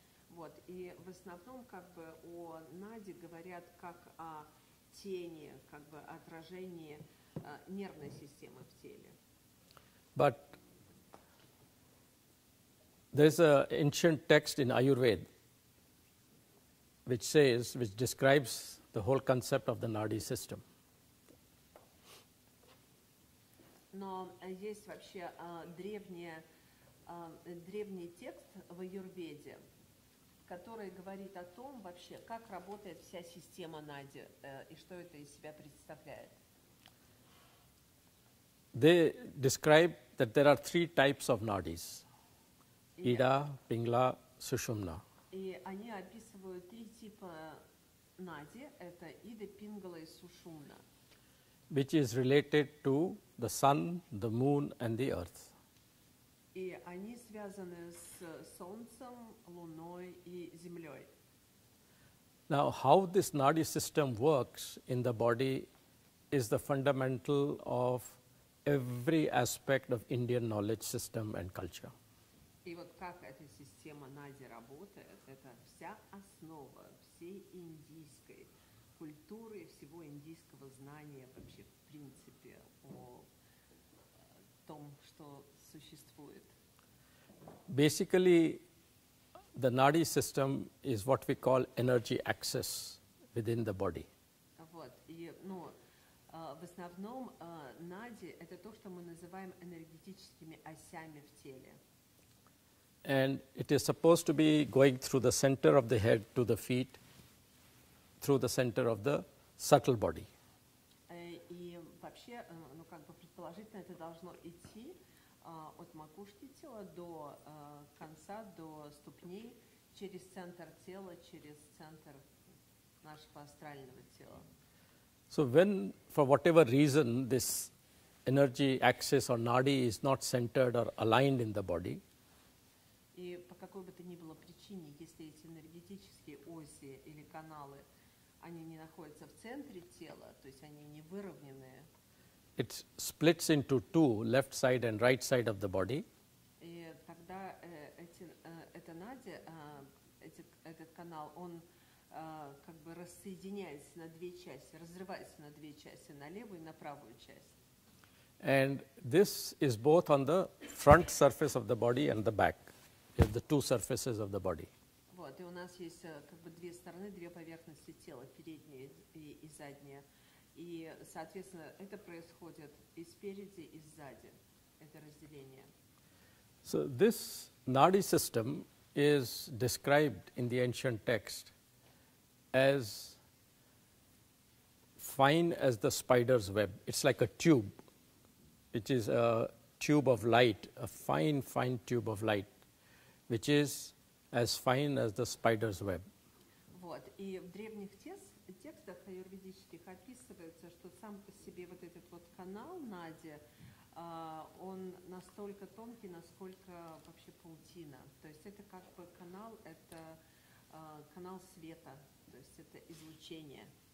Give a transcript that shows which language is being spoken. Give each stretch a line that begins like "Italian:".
Russian: Вот, и в основном, как бы, о нади говорят как о тени, как бы отражении нервной системы в теле.
English: But there's an ancient text in Ayurveda which describes the whole concept of the nadi system.
Russian: Но есть вообще древний текст в Аюрведе, который говорит о том вообще, как работает вся система нади и что это из себя представляет.
English: They describe that there are three types of nadis. Ida, Pingla, Sushumna.
Russian: И они описывают три типа нади. Это Ида, Пингла и Сушумна.
English: Which is related to the sun, the moon and the earth.
Russian: И они связаны с солнцем, луной и землей.
English: Now, how this nadi system works in the body is the fundamental of every aspect of Indian knowledge system and culture.
Russian: И вот как эта система нади работает, это вся основа всей индийской культуры, всего индийского знания вообще в принципе о том, что существует.
English: Basically, the nadi system is what we call energy access within the body.
Russian: Вот, и, ну, в основном нади это то, что мы называем энергетическими осями в теле.
English: And it is supposed to be going through the center of the head to the feet, through the center of the subtle body.
Russian: И вообще, ну как бы предположительно это должно идти от макушки тела до конца, до ступней, через центр тела, через центр нашего астрального тела.
English: So when, for whatever reason, this energy axis or nadi is not centered or aligned in the body,
Russian: и по какой бы то ни было причине, если эти энергетические оси или каналы, они не находятся в центре тела, то есть они не выровнены,
English: it splits into two, left side and right side of the body.
Russian: И тогда эта нади, этот канал, он как бы рассоединяется на две части, разрывается на две части, на левую и на правую часть.
English: And this is both on the front surface of the body and the back, the two surfaces of the body.
Russian: Вот, и у нас есть как бы две стороны, две поверхности тела, передняя и задняя. И, соответственно, это происходит и спереди, и сзади, это разделение.
English: So this nadi system is described in the ancient text as fine as the spider's web. It's like a tube, which is a tube of light, a fine, fine tube of light, which is as fine as the spider's web.
Russian: Вот, и в древних текстах аюрведических описывается, что сам по себе вот этот вот канал нади, он настолько тонкий, насколько вообще паутина. То есть это как бы канал, это канал света, то есть это излучение.